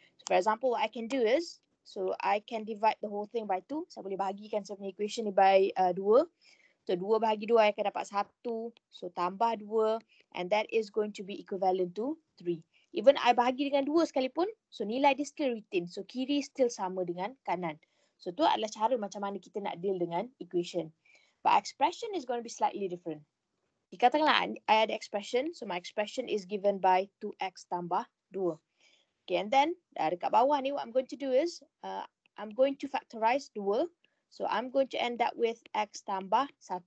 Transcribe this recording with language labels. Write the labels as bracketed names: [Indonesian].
[English] So for example, what I can do is, so I can divide the whole thing by 2. [Malay] Saya boleh bahagikan saya punya equation ni by 2. So 2 bahagi 2, I akan dapat 1. [English] So tambah 2, and that is going to be equivalent to 3. [Malay] Even I bahagi dengan 2 sekalipun, so nilai dia [English] still retain. [Malay] So kiri still sama dengan kanan. So tu adalah cara macam mana kita nak deal dengan equation. [English] But expression is going to be slightly different. [Malay] Dikatakanlah I ada expression, [English] so my expression is given by 2x tambah 2. Okay, and then [Malay] dekat bawah ni [English] what I'm going to do is, I'm going to factorize 2. So I'm going to end up with x tambah 1.